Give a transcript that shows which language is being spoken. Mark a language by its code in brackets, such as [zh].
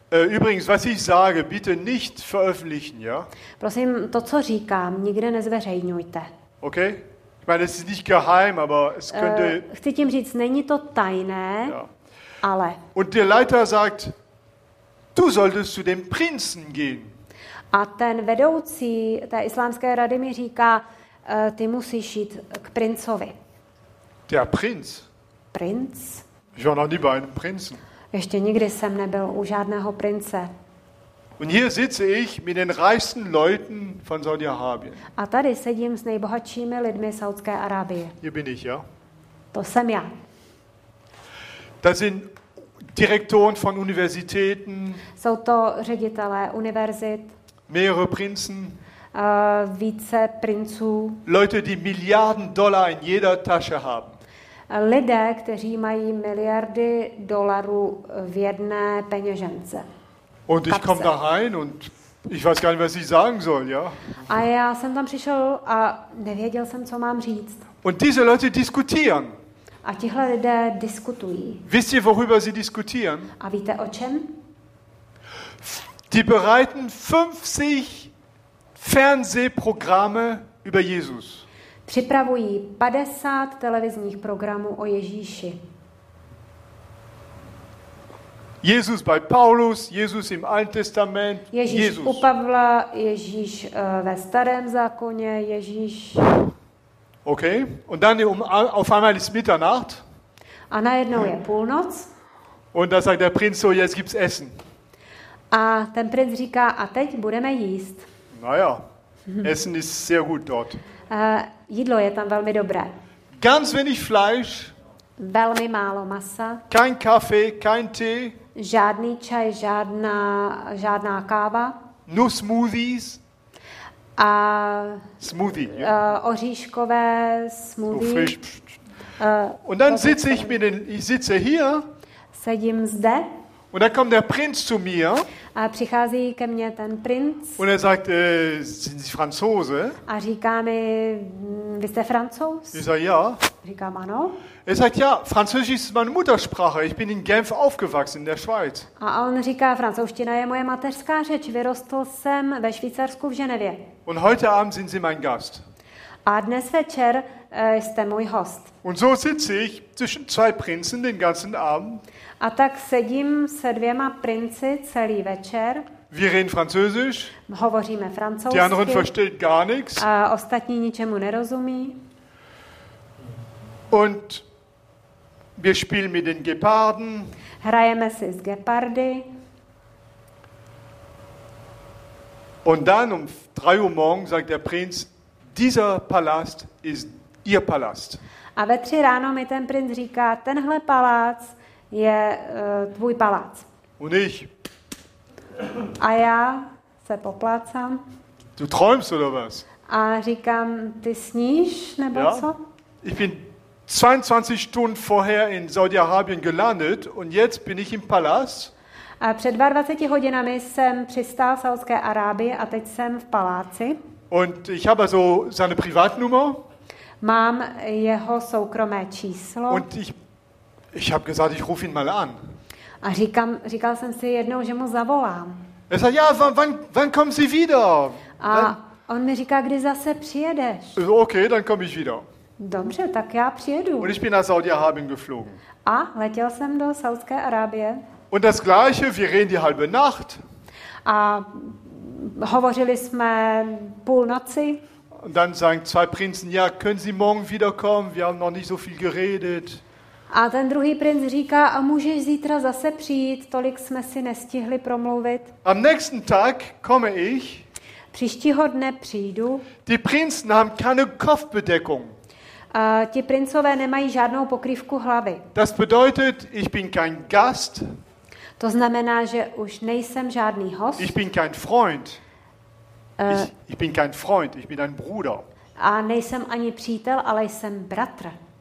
[de] Übrigens, was ich sage, bitte nicht veröffentlichen, ja? [cs] Prosím, to, co říkám, nikde nezveřejňujte. Okay? [de] Ich meine, es ist nicht geheim, aber es könnte... [cs] Chci tím říct, není to tajné, ale... [de] Und der Leiter sagt, du solltest zu dem Prinzen gehen. [cs] A ten vedoucí té islámské rady mi říká, ty musíš jít k princovi. [de] Der Prinz? Prinz? Ich war noch nie bei einem Prinzen. [cs] Ještě nikdy jsem nebyl u žádného prince. [de] Und hier sitze ich mit den reichsten Leuten von Saudi-Arabien. [cs] A tady sedím s nejbohatšími lidmi Saudské Arábie. [de] Hier bin ich, ja. [cs] To jsem já. [de] Das sind Direktoren von Universitäten. [cs] Jsou to ředitelé univerzit. [de] Mehrere Prinzen. [cs] Více princů. [de] Leute, die Milliarden Dollar in jeder Tasche haben. [cs] Lidé, kteří mají miliardy dolarů v jedné peněžence. [de] Und ich komme da rein und ich weiß gar nicht, was ich sagen soll, ja? [cs] A já jsem tam přišel a nevěděl jsem, co mám říct. [de] Und diese Leute diskutieren. [cs] A tihle lidé diskutují. [de] Wisst ihr, worüber sie diskutieren? [cs] A víte o čem? [de] Die bereiten 50 Fernsehprogramme über Jesus. [cs] Připravují 50 televizních programů o Ježíši. [de] Jesus bei Paulus, Jesus im Alten Testament, [cs] Ježíš Jesus. U Pavla, Ježíš ve starém zákoně, Ježíš. [de] Okay, und dann auf einmal ist Mitternacht. [cs] A najednou je půlnoc. [de] Und da sagt der Prinz so, jetzt gibt's Essen. [cs] A ten princ říká, a teď budeme jíst. [de] Naja, Essen ist sehr gut dort. [cs] Jídlo je tam velmi dobré. [de] Ganz wenig Fleisch. [cs] Velmi málo masa. [de] Kein Kaffee, kein Tee. [cs] Žádný čaj, žádná káva. [en] No smoothies. [cs] A [en] smoothie. [cs] Oříškové smoothie. [en] So fresh. [de] Und dann sitze ich mit den, ich sitze hier. [cs] Sedím zde. [de] Und dann kommt der Prinz zu mir. [cs] A přichází ke mně ten princ. [de] Und er sagt, sind Sie Franzose? [cs] A říká mi, vy jste Francouz? [de] Ich sage, ja. [cs] Říkám, ano. [de] Er sagt, ja, Französisch ist meine Muttersprache. Ich bin in Genf aufgewachsen, in der Schweiz. [cs] A on říká, francouzština je moje mateřská řeč. Vyrostl jsem ve Švýcarsku v Ženevě. [de] Und heute Abend sind Sie mein Gast. [cs] A dnes večer jste můj host. [de] Und so sitze ich zwischen zwei Prinzen den ganzen Abend. [cs] A tak sedím se dvěma princi celý večer. [de] Wir reden französisch. [cs] Hovoříme francouzsky. [de] Die anderen verstehen gar nichts. [cs] A ostatní ničemu nerozumí. [de] Und wir spielen mit den Geparden. [cs] Hrajeme si s gepardy. [de] Und dann um 3 Uhr morgens sagt der Prinz, dieser Palast ist ihr Palast. [cs] A ve 3 ráno mi ten princ říká, tenhle palác je tvůj palác. [de] Und ich. [cs] A já se poplácám. [de] Du träumst oder was? [cs] A říkám, ty sníš nebo ja? Co? [de] Ich bin 22 Stunden vorher in Saudi-Arabien gelandet und jetzt bin ich im Palast. [cs] A před 22 hodinami jsem přistál v Saudské Arábii a teď jsem v paláci. [de] Und ich habe so seine Privatnummer. [cs] Mám jeho soukromé číslo. [de] Und ich habe gesagt, ich rufe ihn mal an. [cs] A říkal jsem si jednou, že mu zavolám. [de] Er sagt, ja, wann kommen Sie wieder? [cs] A on mi říká, kdy zase přijedeš. [de] Okay, dann komme ich wieder. [cs] Dobře, tak já přijedu. [de] Und ich bin nach Saudi-Arabien geflogen. [cs] A letěl jsem do Saudské Arábie. [de] Und das Gleiche, wir reden die halbe Nacht. [cs] A hovořili jsme půl noci. [de] Und dann sagen zwei Prinzen, ja, können Sie morgen wiederkommen? Wir haben noch nicht so viel geredet. [cs] A ten druhý princ říká, a můžeš zítra zase přijít, tolik jsme si nestihli promluvit. [de] Am nächsten Tag komme ich. [cs] Příštího dne přijdu. [de] Die Prinzen haben keine Kopfbedeckung. [cs] Ti princové nemají žádnou pokrývku hlavy. [de] Das bedeutet, ich bin kein Gast. [cs] To znamená, že už nejsem žádný host. [de] Ich bin kein Freund. Ich bin kein Freund, ich bin ein Bruder. [cs] A nejsem ani přítel, ale jsem bratr.